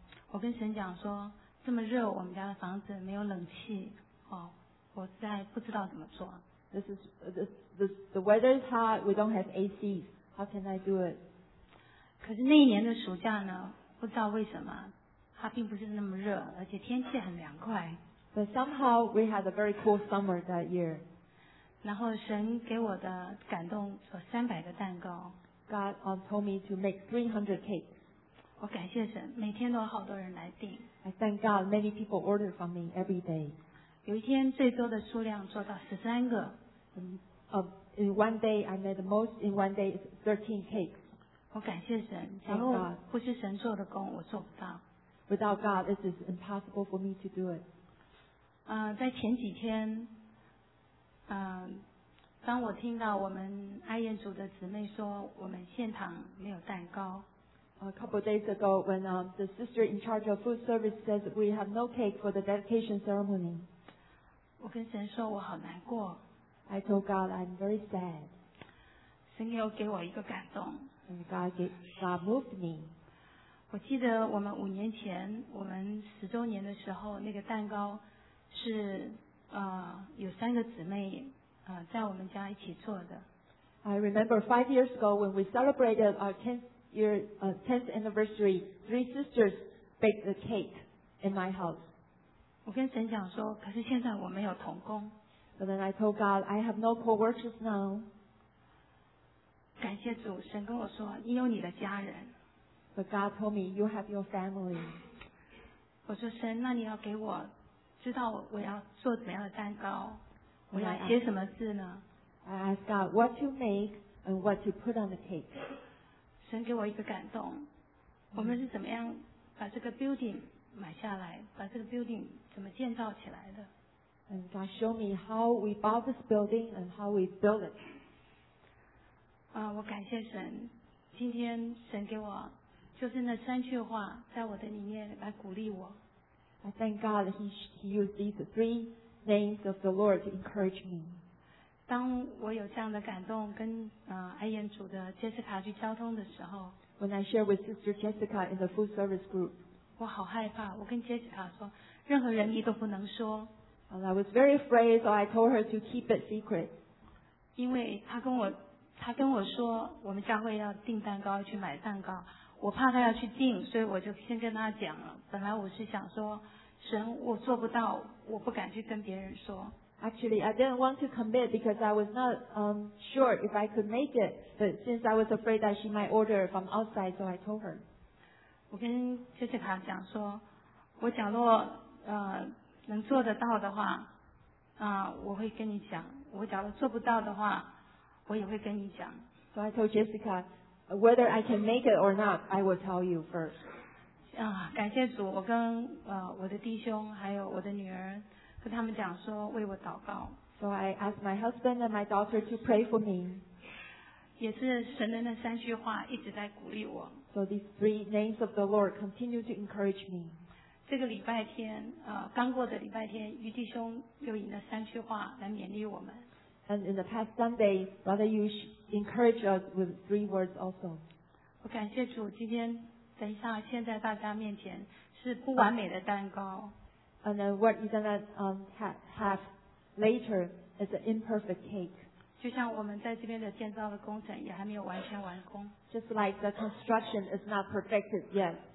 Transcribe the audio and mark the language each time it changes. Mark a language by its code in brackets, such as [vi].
[zh] 我跟神讲说，这么热，我们家的房子没有冷气，我实在不知道怎么做。 [en] The weather is hot. We don't have AC. How can I do it? [zh] 可是那一年的暑假呢，不知道为什么，它并不是那么热，而且天气很凉快。 [en] But somehow we had a very cool summer that year. [zh] 然后神给我的感动做300个蛋糕。 [en] God told me to make 300 cakes. [zh] 我感谢神，每天都有好多人来订。 [en] I thank God many people order from me every day. [zh] 有一天最多的数量做到13个。 [en] In one day I made the most in one day is 13 cakes. [zh] 我感谢神，假如不是神做的工，我做不到。 [en] Without God, this is impossible for me to do it. [zh] 在前几天，当我听到我们爱宴组的姊妹说我们现场没有蛋糕 [en] ，A couple of days ago, when the sister in charge of food service says we have no cake for the dedication ceremony, [zh] 我跟神说我好难过。 [en] I told God I'm very sad. [zh] 神又给我一个感动。 [en] And God moved me. [zh] 我记得我们5年前我们10周年的时候，那个蛋糕。是有三个姊妹在我们家一起做的。 [en] I remember 5 years ago when we celebrated our 10th anniversary, 3 sisters baked the cake in my house. [zh] 我跟神讲说，可是现在我没有同工。 [en] But then I told God, I have no co-workers now. [zh] 感谢主，神跟我说，你有你的家人。 [en] But God told me, you have your family. [zh] 我说神，那你要给我。知道我要做怎么样的蛋糕，我要写什么字呢 [en] ？I ask God what to make and what to put on the cake. [zh] 神给我一个感动，我们是怎么样把这个 building 买下来，把这个 building 怎么建造起来的 [en] ？And God show me how we bought this building and how we built it. [zh] 我感谢神，今天神给我就是那三句话在我的里面来鼓励我。 [en] I thank God that he used these three names of the Lord to encourage me. [zh] 当我有这样的感动跟爱宴组的 Jessica 去交通的时候 [en] When I share with Sister Jessica in the food service group, [zh] 我好害怕，我跟 Jessica 说，任何人你都不能说。 [en] Well, I was very afraid, so I told her to keep it secret. [zh] 因为她跟我说，我们教会要订蛋糕，去买蛋糕。我怕他要去订，所以我就先跟他讲了。本来我是想说，神，我做不到，我不敢去跟别人说。 [en] Actually, I didn't want to commit because I was not sure if I could make it. But since I was afraid that she might order from outside, so I told her. [zh] 我跟 Jessica 讲说，我假若能做得到的话，我会跟你讲；我假若做不到的话，我也会跟你讲。 [en] So I told Jessica. Whether I can make it or not, I will tell you first. [zh] 感谢主，我跟我的弟兄还有我的女儿跟他们讲说为我祷告。 [en] So I asked my husband and my daughter to pray for me. [zh] 也是神的那三句话一直在鼓励我。 [en] So these three names of the Lord continue to encourage me. [zh] 这个礼拜天，刚过的礼拜天，余弟兄又以那三句话来勉励我们。 [en] And in the past Sunday, Brother Yu encouraged us with 3 words also. [zh] 我感谢主，今天等一下，现在大家面前是不完美的蛋糕。 [en] And then what you're gonna have later is an imperfect cake. [zh] 就像我们在这边的建造的工程也还没有完全完工。 [en] Just like the construction is not perfected yet.